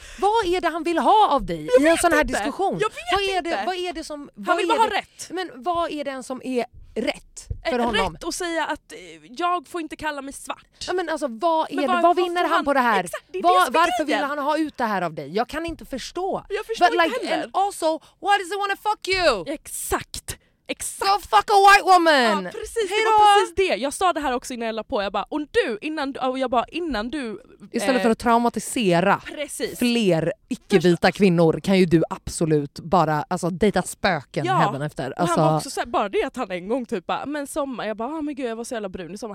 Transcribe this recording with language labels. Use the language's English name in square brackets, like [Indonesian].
[Swedish] Vad är det han vill ha av dig jag i en sån här diskussion? Vad är det? Inte. Vad är det som... Han vill bara ha rätt. Men vad är den som är rätt för honom? Rätt att säga att jag får inte kalla mig svart. Ja, men alltså, vad vinner han på det här? Exakt, det varför vill han ha ut det här av dig? Jag kan inte förstå. Jag förstår [English] but like, [Swedish] heller. [English] And also, why does he want to fuck you? [Swedish] Exakt. Exakt. [English] Go fuck a white woman. [Swedish] Ja, precis. Hejdå. Det var precis det. Jag sa det här också innan jag la på. Jag bara, innan du... Istället för att traumatisera precis. Fler icke-vita kvinnor kan ju du absolut bara alltså, dejta spöken hädan efter. Alltså, han var också såhär, bara det att han en gång typ bara, men sommar. Jag bara, men gud, jag var så jävla brun i sommar.